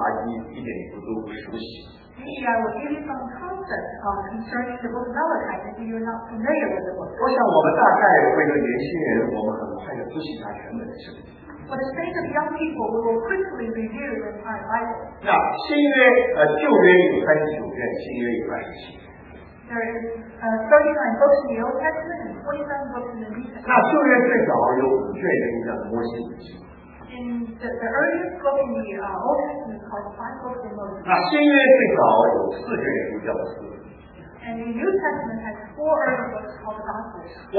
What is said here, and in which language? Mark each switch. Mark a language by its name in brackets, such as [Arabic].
[Chinese] Malachi.我想我稍微的给用一点的概念，也许大家对马拉基一点都不熟悉。 [English] Maybe I will give you some concept concerning the Book of Malachi if you are not familiar with the book. [Chinese] 我想我们大概为了年轻人，我们很快的复习一下原本的圣经。 [English] For the sake of young people, we will quickly review the entire Bible. [Chinese] 那新约，旧约有39卷，新约有27卷。 [English] There is 39 books in the Old Testament and 27 books in the New Testament. [Chinese] 那旧约最早有5卷的摩西五经。 [English] In the earliest book in the Old Testament is called 5 books in Moses. [Chinese] 那新约最早有4卷书叫四。 [English] And the New Testament has 4 early books called the Gospels.